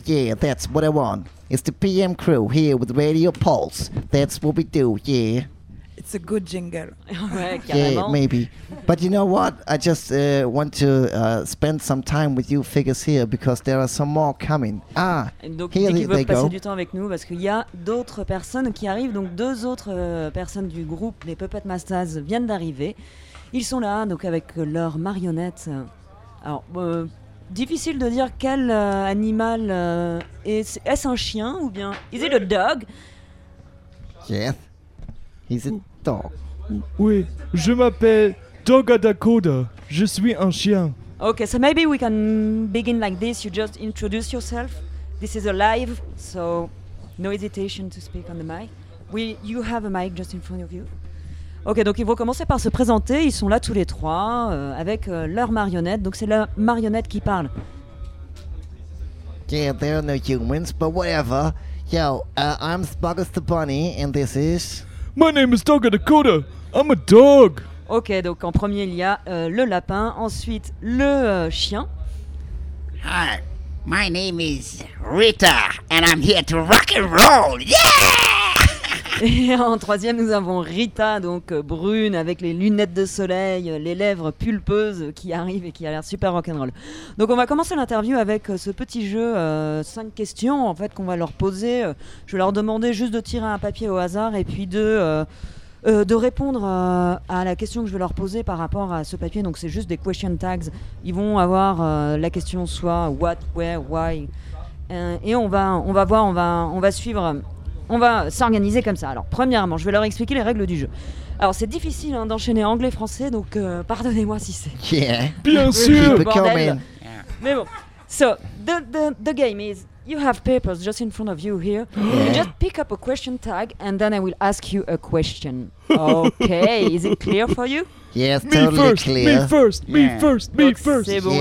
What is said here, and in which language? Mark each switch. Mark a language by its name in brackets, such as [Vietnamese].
[English] Yeah, that's what I want. It's the PM crew here with Radio Pulse. That's what we do, yeah. It's a good jingle. Right, yeah, maybe. But you know what? I just want to spend some time with you figures here because there are some more coming. Ah, [French] donc, [English] here they go. [French] Donc, passer du temps avec nous parce qu'il y a d'autres personnes qui arrivent. Donc, deux autres personnes du groupe, les Puppet Masters, viennent d'arriver. Ils sont là, donc, avec leurs marionnettes. Alors, difficile de dire quel animal est-ce un chien ou bien... [English] Is it a dog? Yes. He's a dog. [French] Oui, je m'appelle Dog Adakoda. Je suis un chien. [English] Okay, so maybe we can begin like this. You just introduce yourself. This is a live, so no hesitation to speak on the mic. You have a mic just in front of you. [French] Okay, donc ils vont commencer par se présenter. Ils sont là tous les trois avec leur marionnette. Donc c'est la marionnette qui parle. [English] Yeah, they're no humans, but whatever. Yo, I'm Spuggles the Bunny, and this is... My name is Dog Dakota. I'm a dog. [French] Ok, donc en premier il y a le lapin, ensuite le chien. [English] Hi, my name is Rita and I'm here to rock and roll. Yeah! [French] Et en troisième nous avons Rita, donc brune avec les lunettes de soleil, les lèvres pulpeuses qui arrive et qui a l'air super rock'n'roll. Donc on va commencer l'interview avec ce petit jeu, 5 questions en fait qu'on va leur poser. Je vais leur demander juste de tirer un papier au hasard et puis de répondre à la question que je vais leur poser par rapport à ce papier. Donc c'est juste des question tags. Ils vont avoir la question soit [English] what, where, why. [French] Et on va suivre... On va s'organiser comme ça. Alors, premièrement, je vais leur expliquer les règles du jeu. Alors, c'est difficile hein, d'enchaîner anglais-français, donc pardonnez-moi si c'est... [English] Yeah. [French] Bien sûr. [English] Yeah. [French] Mais bon. [English] So, the game is, you have papers just in front of you here. You just pick up a question tag, and then I will ask you a question. Okay, is it clear for you? Yes, totally first, clear. Me first. [French] C'est bon,